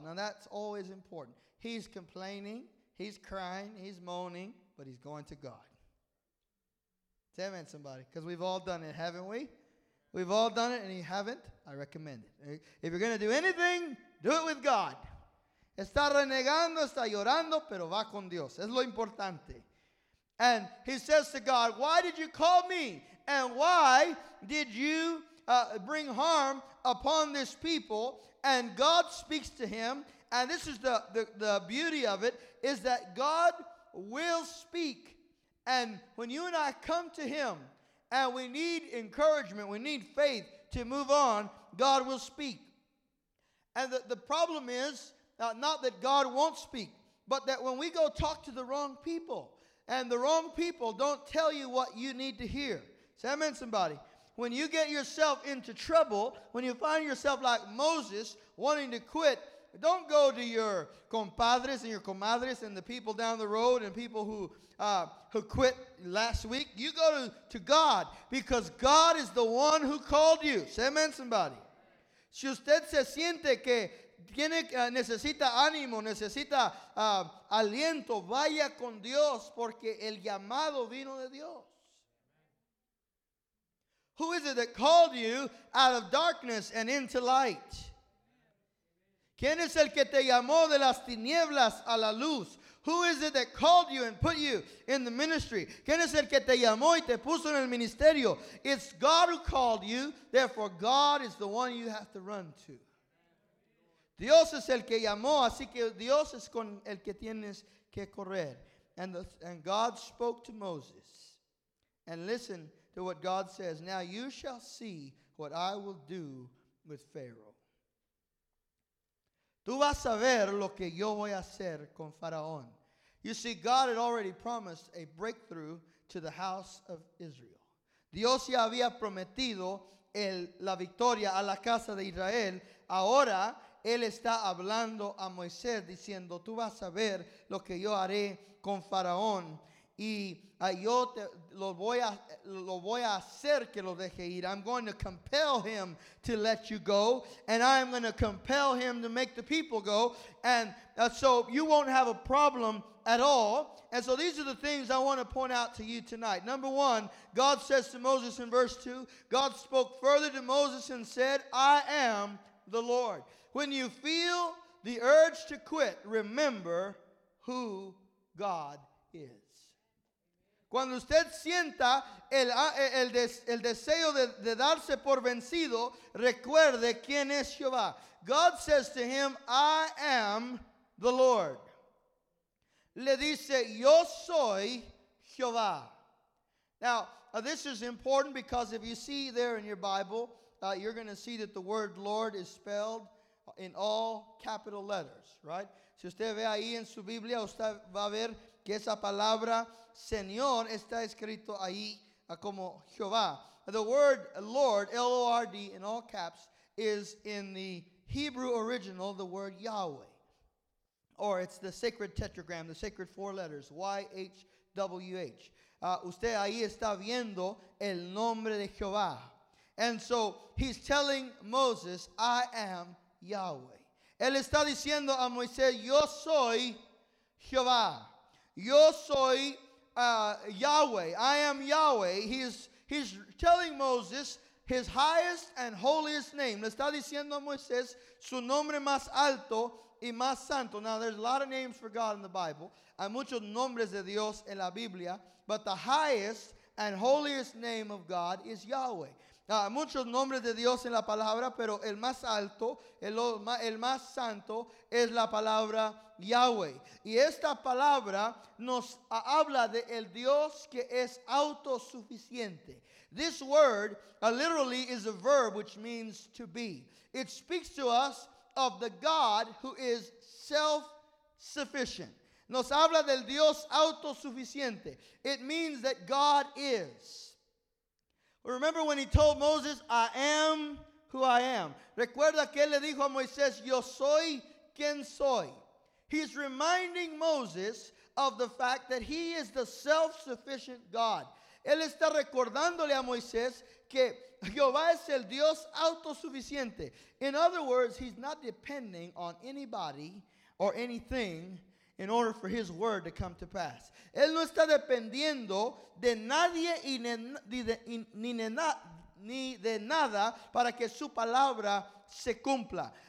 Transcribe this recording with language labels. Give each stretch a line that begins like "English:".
English: Now that's always important. He's complaining, he's crying, he's moaning, but he's going to God. Say amen, somebody, because we've all done it, haven't we? We've all done it, and you haven't, I recommend it. If you're going to do anything, do it with God.
Spanish: Está renegando, está llorando, pero va con Dios. Es lo importante.
English: And he says to God, why did you call me? And why did you bring harm upon this people? And God speaks to him. And this is the beauty of it, is that God will speak. And when you and I come to him, and we need encouragement, we need faith to move on, God will speak. And the problem is, not that God won't speak, but that when we go talk to the wrong people, and the wrong people don't tell you what you need to hear. Say amen, somebody. When you get yourself into trouble, when you find yourself like Moses, wanting to quit, don't go to your compadres and your comadres and the people down the road and people who quit last week. You go to God, because God is the one who called you. Say amen, somebody.
Spanish: Si usted se siente que tiene, necesita ánimo, necesita aliento, vaya con Dios, porque el llamado vino de Dios.
English: Who is it that called you out of darkness and into light?
Spanish: ¿Quién es el que te llamó de las tinieblas a la luz?
English: Who is it that called you and put you in the ministry?
Spanish: ¿Quién es el que te llamó y te puso en el ministerio?
English: It's God who called you. Therefore, God is the one you have to run to.
Spanish: Dios es el que llamó, así que Dios es con el que tienes que correr.
English: And God spoke to Moses. And listen to what God says. Now you shall see what I will do with Pharaoh.
Spanish: Tú vas a ver lo que yo voy a hacer con Faraón.
English: You see, God had already promised a breakthrough to the house of Israel.
Spanish: Dios ya había prometido la victoria a la casa de Israel. Ahora, él está hablando a Moisés diciendo, tú vas a ver lo que yo haré con Faraón. Y yo lo voy a hacer que lo deje ir.
English: I'm going to compel him to let you go. And I'm going to compel him to make the people go. And so you won't have a problem at all. And so these are the things I want to point out to you tonight. Number one, God says to Moses in verse 2, God spoke further to Moses and said, I am the Lord. When you feel the urge to quit, remember who God is.
Spanish: Cuando usted sienta el deseo de darse por vencido, recuerde quién es Jehová.
English: God says to him, I am the Lord.
Spanish: Le dice, yo soy Jehová.
English: Now, this is important because if you see there in your Bible, you're going to see that the word Lord is spelled in all capital letters, right?
Spanish: Si usted ve ahí en su Biblia, usted va a ver que esa palabra Señor está escrito ahí como Jehová.
English: The word Lord, L-O-R-D, in all caps, is in the Hebrew original, the word Yahweh. Or it's the sacred tetragram, the sacred four letters, Y-H-W-H.
Spanish: Usted ahí está viendo el nombre de Jehová.
English: And so he's telling Moses, I am Yahweh.
Spanish: Él está diciendo a Moisés, yo soy Jehová. Yo soy Yahweh.
English: I am Yahweh. He's telling Moses his highest and holiest name.
Spanish: Le está diciendo a Moisés su nombre más alto y más santo.
English: Now, there's a lot of names for God in the Bible.
Spanish: Hay muchos nombres de Dios en la Biblia.
English: But the highest and holiest name of God is Yahweh.
Spanish: Hay muchos nombres de Dios en la palabra, pero el más alto, el más santo, es la palabra Yahweh. Y esta palabra nos habla de el Dios que es autosuficiente.
English: This word literally is a verb which means to be. It speaks to us of the God who is self-sufficient.
Spanish: Nos habla del Dios autosuficiente.
English: It means that God is. Remember when he told Moses, I am who I am.
Spanish: Recuerda que él le dijo a Moisés, yo soy quien soy.
English: He's reminding Moses of the fact that he is the self-sufficient God.
Spanish: Él está recordándole a Moisés que Jehová es el Dios autosuficiente.
English: In other words, he's not depending on anybody or anything in order for his word to come to pass.
Spanish: Él no está dependiendo de nadie ni de nada para que su palabra se cumpla.